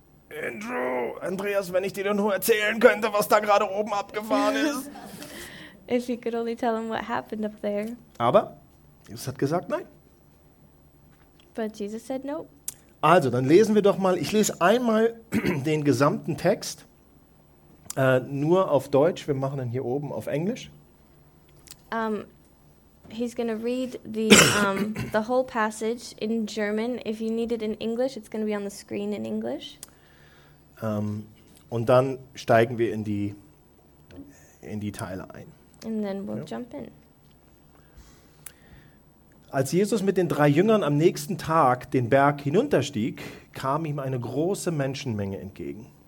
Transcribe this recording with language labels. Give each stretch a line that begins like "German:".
German: Andrew, Andreas, wenn ich dir nur erzählen könnte, was da gerade oben abgefahren ist.
English: If you could only tell him what happened up there.
German: Aber Jesus hat gesagt, nein.
English: But Jesus said no.
German: Also, dann lesen wir doch mal. Ich lese einmal den gesamten Text nur auf Deutsch. Wir machen dann hier oben auf Englisch.
English: He's going to read the whole passage in German. If you need it in English, it's going to be on the screen in English.
German: Und dann steigen wir in die Teile ein.
English: And then we'll jump in.
German: Als Jesus mit den drei Jüngern am nächsten Tag den Berg hinunterstieg, kam ihm eine große Menschenmenge entgegen.